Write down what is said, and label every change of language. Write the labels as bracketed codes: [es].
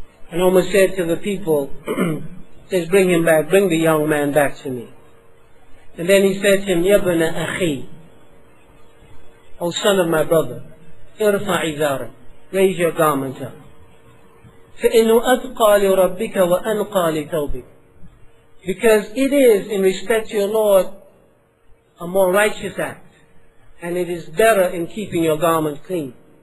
[en] And Umar said to the people, says, bring him back, bring the young man back to me. And then he said to him, [ar] Yabna Akhi, [en] O son of my brother, [ar] irfa izara, [en] raise your garment up. [ar] فإنه أتقى لربك وأنقى لتوبك. [en] Because it is, in respect to your Lord, a more righteous act. And it is better in keeping your garment clean.